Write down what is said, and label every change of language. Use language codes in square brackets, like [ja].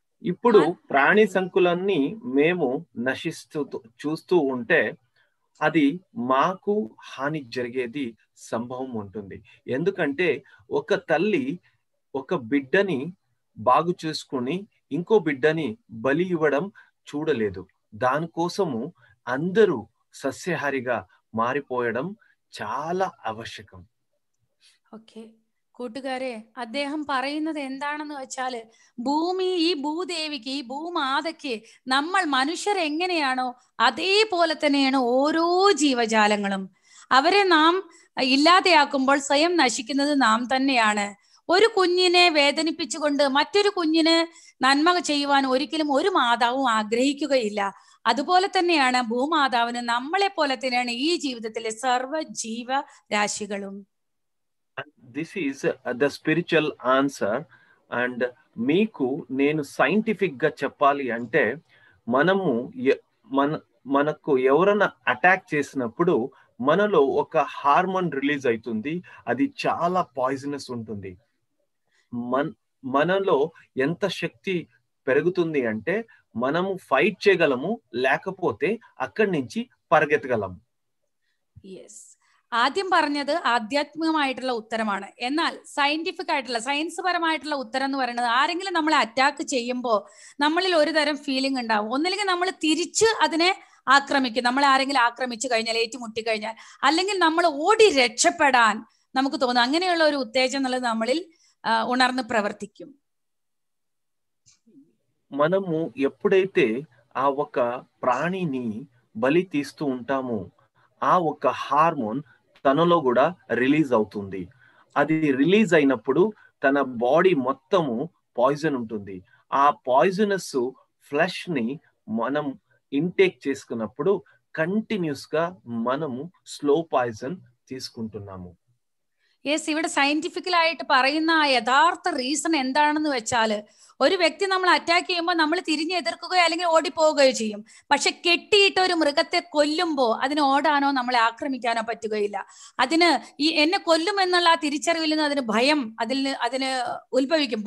[te] ఇప్పుడు ప్రాణి సంకులన్నీ మేము నశిస్తూ చూస్తూ ఉంటే అది మాకు హాని జరిగేది సంభవం ఉంటుంది. ఎందుకంటే ఒక తల్లి ఒక బిడ్డని బాగు చేసుకుని ఇంకో బిడ్డని బలి ఇవ్వడం చూడలేదు. దానికోసము అందరూ సస్యహారిగా మారిపోయడం చాలా ఆవశ్యకం. [ml] ఓకే కూటుగారే, అద్దేహం പറയുന്നത് എന്താണെന്ന് വെച്ചാൽ ഭൂമി ഈ ഭൂദേവിക്ക് ഈ ഭൂമാതയ്ക്ക് നമ്മൾ മനുഷ്യർ എങ്ങനെയാണോ അതേപോലെ തന്നെയാണ് ഓരോ ജീവജാലങ്ങളും. അവരെ നാം ഇല്ലാതെയാക്കുമ്പോൾ സ്വയം നശിക്കുന്നത് നാം തന്നെയാണ്. ഒരു കുഞ്ഞിനെ വേദനിപ്പിച്ചുകൊണ്ട് മറ്റൊരു കുഞ്ഞിന് നന്മ ചെയ്യുവാൻ ഒരിക്കലും ഒരു മാതാവും ആഗ്രഹിക്കുകയില്ല. അതുപോലെ തന്നെയാണ് ഭൂമാതാവിന് നമ്മളെ പോലെ തന്നെയാണ് ഈ ജീവിതത്തിലെ സർവ ജീവ രാശികളും. [en] This is the spiritual answer. And [te] meeku nenu scientific ga cheppali ante manamu manaku evarana attack chesinappudu మనలో ఒక హార్మోన్ రిలీజ్ అవుతుంది, అది చాలా పాయిజనస్ ఉంటుంది. మనలో ఎంత శక్తి పెరుగుతుంది అంటే మనము ఫైట్ చేయగలము, లేకపోతే అక్కడి నుంచి పరిగెత్తగలము. [ml] ആദ്യം പറഞ്ഞത് ആധ്യാത്മികമായിട്ടുള്ള ഉത്തരമാണ്. എന്നാൽ സയന്റിഫിക് ആയിട്ടുള്ള സയൻസ് പരമായിട്ടുള്ള ഉത്തരം എന്ന് പറയുന്നത് ആരെങ്കിലും നമ്മളെ അറ്റാക്ക് ചെയ്യുമ്പോൾ നമ്മളിൽ ഒരുതരം ഫീലിംഗ് ഉണ്ടാവും. ഒന്നില്ലെങ്കിൽ നമ്മൾ തിരിച്ച് അതിനെ ആക്രമിക്കും, നമ്മളെ ആരെങ്കിലും ആക്രമിച്ചു കഴിഞ്ഞാൽ, ഏറ്റുമുട്ടി കഴിഞ്ഞാൽ, അല്ലെങ്കിൽ നമ്മൾ ഓടി രക്ഷപ്പെടാൻ നമുക്ക് തോന്നും. അങ്ങനെയുള്ള ഒരു ഉത്തേജം എന്നുള്ളത് നമ്മളിൽ ഉണർന്ന് പ്രവർത്തിക്കും. [te] മനമു എപ്പോഴേ ആ ഒക്ക പ്രാണിനി ബലി തീസ്തു ഉണ്ടാമോ ఆ ఒక హార్మోన్ తనలో కూడా రిలీజ్ అవుతుంది. అది రిలీజ్ అయినప్పుడు తన బాడీ మొత్తము పాయిజన్ ఉంటుంది. ఆ పాయిజనస్ ఫ్లష్ ని మనం ఇంటేక్ చేసుకున్నప్పుడు కంటిన్యూస్ గా మనము స్లో పాయిజన్ తీసుకుంటున్నాము. [ml] യെസ്, ഇവിടെ സയന്റിഫിക്കൽ ആയിട്ട് പറയുന്ന ആ യഥാർത്ഥ റീസൺ എന്താണെന്ന് വെച്ചാല്, ഒരു വ്യക്തി നമ്മൾ അറ്റാക്ക് ചെയ്യുമ്പോൾ നമ്മൾ തിരിഞ്ഞ് എതിർക്കുകയോ അല്ലെങ്കിൽ ഓടിപ്പോവുകയോ ചെയ്യും. പക്ഷെ കെട്ടിയിട്ട് ഒരു മൃഗത്തെ കൊല്ലുമ്പോൾ അതിന് ഓടാനോ നമ്മളെ ആക്രമിക്കാനോ പറ്റുകയില്ല. അതിന് ഈ എന്നെ കൊല്ലുമെന്നുള്ള ആ തിരിച്ചറിവിൽ നിന്ന് അതിന് ഭയം അതിന് ഉത്ഭവിക്കും.